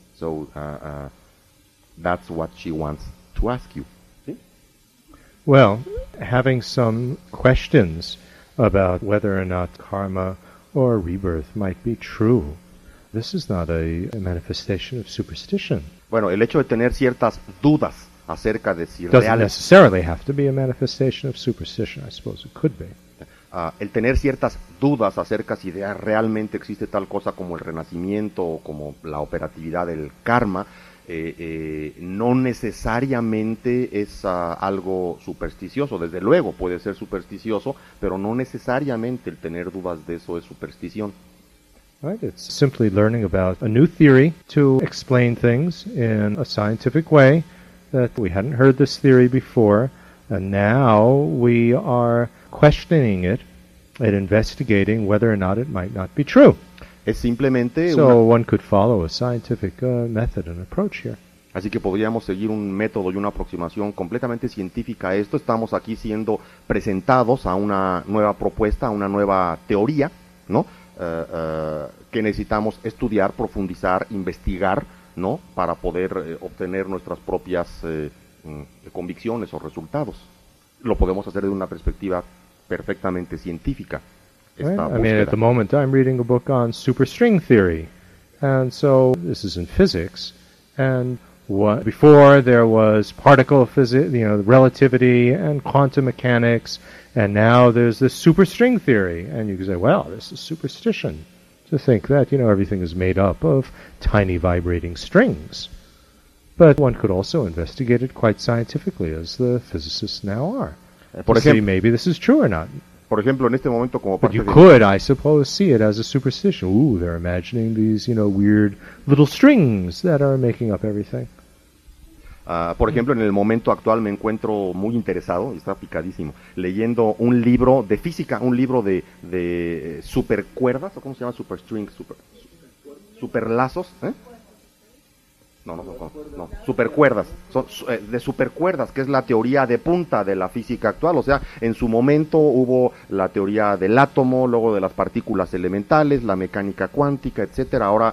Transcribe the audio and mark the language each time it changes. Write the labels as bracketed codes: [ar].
[en] So that's what she wants to ask you. Well, having some questions about whether or not karma or rebirth might be true, this is not a manifestation of superstition. [es] Bueno, el hecho de tener ciertas dudas acerca de si [en] doesn't reales, necessarily have to be a manifestation of superstition. I suppose it could be. [es] El tener ciertas dudas acerca si de realmente existe tal cosa como el renacimiento o como la operatividad del karma, no necesariamente es algo supersticioso. Desde luego puede ser supersticioso, pero no necesariamente el tener dudas de eso es superstición. [en] Right, it's simply learning about a new theory to explain things in a scientific way that we hadn't heard this theory before, and now we are questioning it and investigating whether or not it might not be true. [es] Es simplemente [en] so one could follow a scientific method and approach here. [es] Así que podríamos seguir un método y una aproximación completamente científica a esto. Estamos aquí siendo presentados a una nueva propuesta, a una nueva teoría, ¿no? Que necesitamos estudiar, profundizar, investigar, ¿no? Para poder obtener nuestras propias convicciones o resultados. Lo podemos hacer de una perspectiva perfectamente científica. [en] Right. I mean, at the moment, I'm reading a book on superstring theory, and so this is in physics. And what before there was particle physics, you know, relativity and quantum mechanics, and now there's this superstring theory. And you can say, well, this is superstition to think that, you know, everything is made up of tiny vibrating strings. But one could also investigate it quite scientifically, as the physicists now are, to see maybe this is true or not. [es] Por ejemplo, en este momento, como [en] parte, but you could, I suppose, see it as a superstition. Ooh, they're imagining these, you know, weird little strings that are making up everything. [es] Por ejemplo, en el momento actual me encuentro muy interesado, está picadísimo, leyendo un libro de física, un libro de supercuerdas, ¿o cómo se llama? Superstrings, superlazos, ¿eh? No, supercuerdas, son de supercuerdas, que es la teoría de punta de la física actual. O sea, en su momento hubo la teoría del átomo, luego de las partículas elementales, la mecánica cuántica, etcétera.